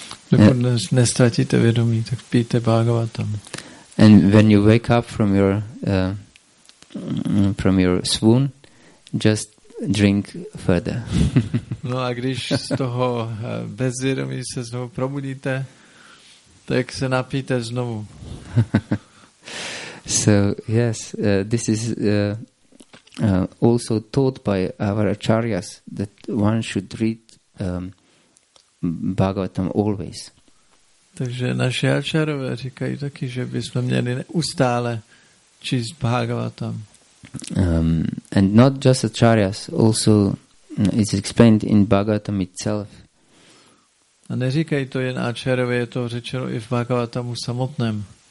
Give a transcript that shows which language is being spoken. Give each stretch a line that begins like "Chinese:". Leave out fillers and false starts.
Czech: Dokud nestratíte vědomí, tak pijte Bhagavatam.
English: And when you wake up from your swoon, just drink further.
Czech: No a když z toho bezvědomí se znovu probudíte, tak se napijte znovu.
English: So yes, this is also taught by our acharyas that one should read Bhagavatam always.
Czech: Takže naši acharyové říkají taky, že bychom měli neustále číst Bhagavatam.
English: And not just acharyas, also it's explained in Bhagavatam itself.
Czech: A neříkají to jen acharyové, je to řečeno i v Bhagavatamu samotném.